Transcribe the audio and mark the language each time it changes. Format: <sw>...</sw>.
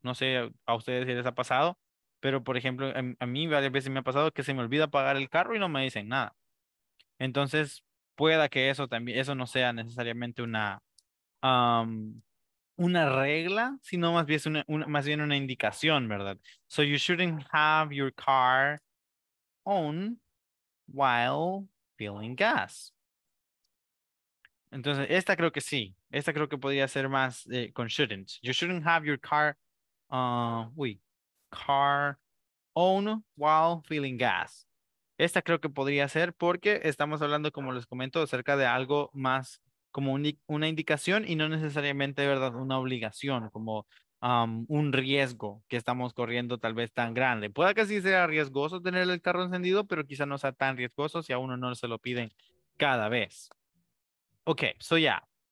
<es>No sé a ustedes si les ha pasado, pero por ejemplo, a mí varias veces me ha pasado que se me olvida pagar el carro y no me dicen nada. Entonces, pueda que eso también, eso no sea necesariamente una regla, sino más bien una indicación, ¿verdad?</es> <en>So you shouldn't have your car on while filling gas.</en> <es>Entonces, esta creo que sí. Esta creo que podría ser más con shouldn't.</es> <en>You shouldn't have your car car on while filling gas.</en> <es>Esta creo que podría ser porque estamos hablando, como les comento, acerca de algo más como una indicación y no necesariamente, ¿verdad?, una obligación, como un riesgo que estamos corriendo tal vez tan grande. Puede que sí sea riesgoso tener el carro encendido, pero quizá no sea tan riesgoso si a uno no se lo piden cada vez.</es> <en>Ok, so yeah.</en>